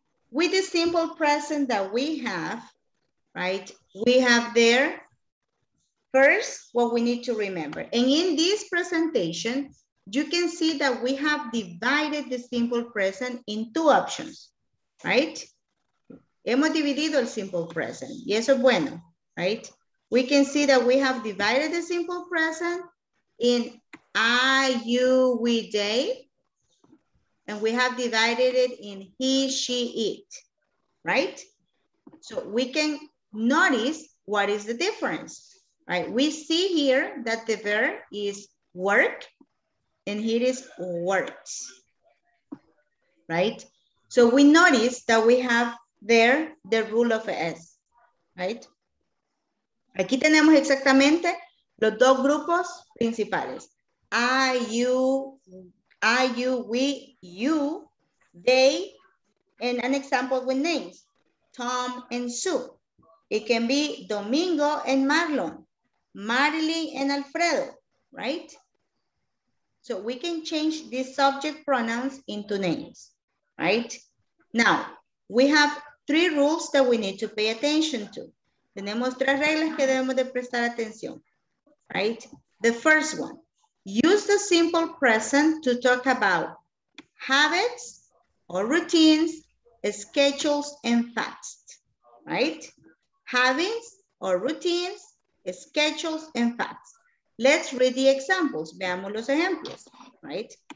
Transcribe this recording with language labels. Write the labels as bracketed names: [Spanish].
[English] With the simple present that we have, right? We have there, first, what we need to remember. And in this presentation, you can see that we have divided the simple present in two options, right? [Spanish] Hemos dividido el simple present, y eso es bueno, [English] right? We can see that we have divided the simple present in I, you, we, they, and we have divided it in he, she, it, right? So we can notice what is the difference, right? We see here that the verb is work, and here is works, right? So we notice that we have there the rule of S, right? [Spanish] Aquí tenemos exactamente los dos grupos principales. [English] I, you, we, you, they, and an example with names, Tom and Sue. It can be Domingo and Marlon, Marilyn and Alfredo, right? So we can change these subject pronouns into names, right? Now, we have three rules that we need to pay attention to. [Spanish] Tenemos tres reglas que debemos de prestar atención, [English] right? The first one, use the simple present to talk about habits or routines, schedules, and facts, right? Habits or routines, schedules, and facts. Let's read the examples. [Spanish] Veamos los ejemplos, [English] right?